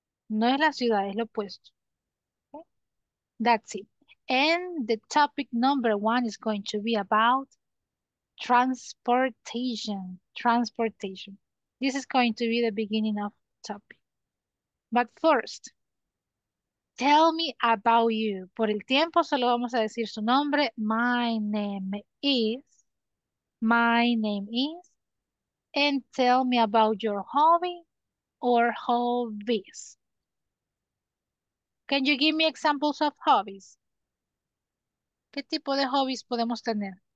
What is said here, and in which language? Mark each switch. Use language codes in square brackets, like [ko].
[es] No es la ciudad, es lo opuesto. [en] That's it. And the topic number one is going to be about transportation. Transportation. This is going to be the beginning of topic. But first, tell me about you. [es] Por el tiempo solo vamos a decir su nombre. [en] My name is, and tell me about your hobby or hobbies. Can you give me examples of hobbies? [es] ¿Qué tipo de hobbies podemos tener?